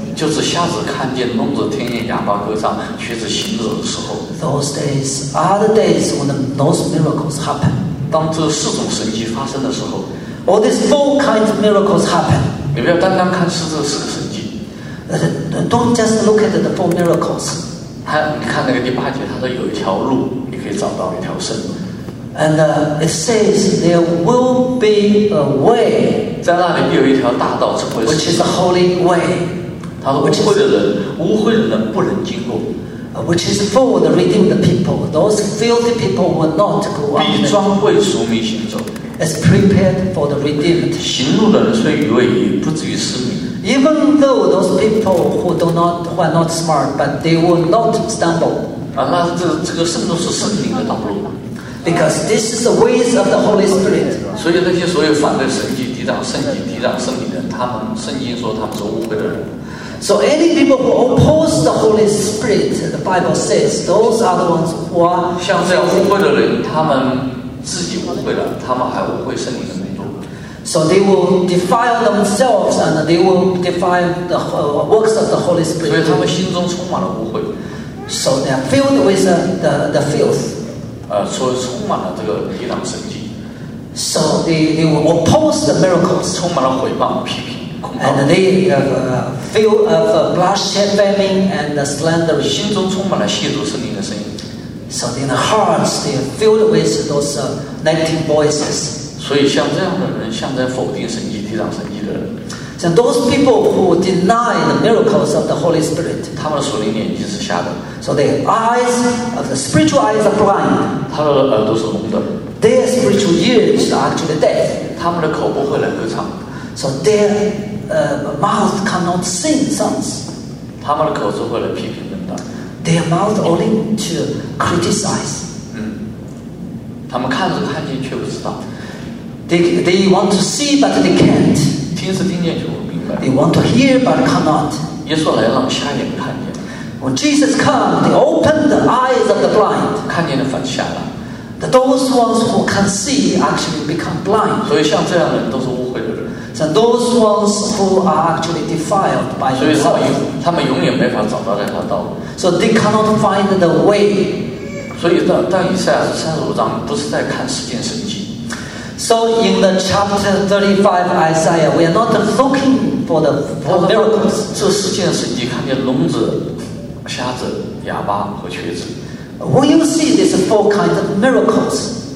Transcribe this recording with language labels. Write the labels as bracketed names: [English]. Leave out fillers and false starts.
[Chinese] 就是瞎子看见，聋子听见，哑巴歌唱，瘸子行走的时候。 [English] Those days are the days when those miracles happen. [Chinese] 当这四种神迹发生的时候 [English] ，All these four kinds of miracles happen。 [Chinese] 你不要单单看是这4个神迹。 [English] Don't just look at the four miracles。 [Chinese] 你看那个第8节，他说有一条路，你可以找到一条生路。 [English] And it says there will be a way。 [Chinese] 在那里有一条大道，成为 [English] Which is a holy way。 [Chinese] 他说无慧的人不能经过。 [English] Which is for the redeemed people. Those filthy people will not go out. [Chinese] 必装备赎民行走。 [English] It's prepared for the redeemed. [Chinese] 行路的人虽愚昧，也不至于失明。 [English] Even though those people who are not smart, but they will not stumble. [Chinese] 那这个圣路是圣灵的道路。 [English] Because this is the ways of the Holy Spirit. [Chinese] 所以那些所有反对神迹、抵挡圣迹、抵挡圣灵的人，他们圣经说他们是污秽的人。 [English] So any people who oppose the Holy Spirit, the Bible says, those are the ones who are. [Chinese] 像这样污秽的人，他们自己污秽了，他们还污秽圣灵的内住。 [English] So they will defile themselves, and they will defile the works of the Holy Spirit. [Chinese] 所以他们心中充满了污秽。 [English] So they are filled with the filth. [Chinese] 所以充满了这个抵挡神迹。 [English] So they will oppose the miracles. [Chinese] 充满了毁谤、批评。 [English] And they feel of bloodshed, famine, and slander. [Chinese] 心中充满了亵渎圣灵的声音。 [English] So in the hearts, they are filled with those negative voices. [Chinese] 所以像这样的人，像在否定神迹、抵挡神迹的人。 [English] 像 those people who deny the miracles of the Holy Spirit, [Chinese] 他们的属灵眼睛是瞎的。 [English] So their eyes, the spiritual eyes are blind. [Chinese] 他的耳朵是聋的。 [English] Their spiritual ears are actually deaf. [Chinese] 他们的口不会能歌唱。 [English] So their mouth cannot sing songs. [Chinese] 他们的口是为了批评论道。 [English] Their mouth only to criticize. [Chinese] 他们看是看见，却不知道。 [English] They want to see, but they can't. [Chinese] 听是听见就不明白。 [English] They want to hear but cannot. [Chinese] 耶稣来让瞎眼看见。 [English] When Jesus came, they opened the eyes of the blind. [Chinese] 看见的反瞎了。 [English] The those ones who can see actually become blind. [Chinese] 所以像这样的人都是污秽的人。 [English] So those ones who are actually defiled by the Lord. [Chinese] 所以他们永远没法找到那条道路。 [English] So they cannot find the way. [Chinese] 所以但以赛亚书三十五章不是在看世间神迹。 [English] So in the chapter 35 Isaiah, we are not looking for the miracles. [Chinese] 这世界神迹看见聋子、瞎子、哑巴和瘸子。 [English] When you see these four kinds of miracles,